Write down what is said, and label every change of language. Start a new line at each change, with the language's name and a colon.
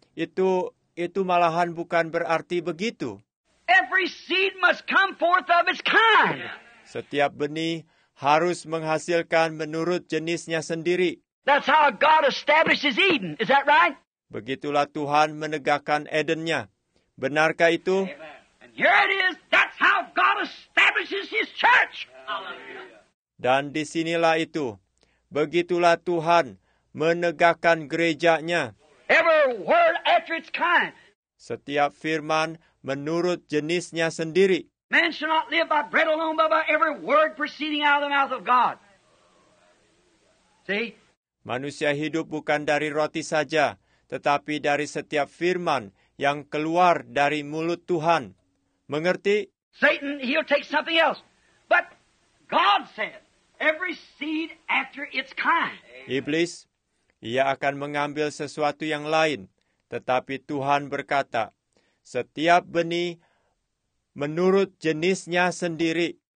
Indonesian: Itu malahan bukan berarti begitu.
English: Every seed must come forth of its kind.
Indonesian: Setiap benih harus menghasilkan menurut jenisnya sendiri.
English: That's how God establishes Eden. Is that right?
Indonesian: Begitulah Tuhan menegakkan Eden-Nya. Benarkah itu?
English: Amen. And here it is. That's how God establishes His church.
Indonesian: Dan disinilah itu. Begitulah Tuhan menegakkan gereja-Nya.
English: Every word after its kind.
Indonesian: Setiap firman menurut jenisnya sendiri.
English: Man shall not live by bread alone, but by every word proceeding out of the mouth of God. See?
Indonesian: Manusia hidup bukan dari roti saja, tetapi dari setiap firman yang keluar dari mulut Tuhan. Mengerti?
English: Satan, he'll take something else. But God said, every seed after its kind.
Indonesian: Iblis, ia akan mengambil sesuatu yang lain. Tetapi Tuhan berkata, setiap benih menurut jenisnya sendiri.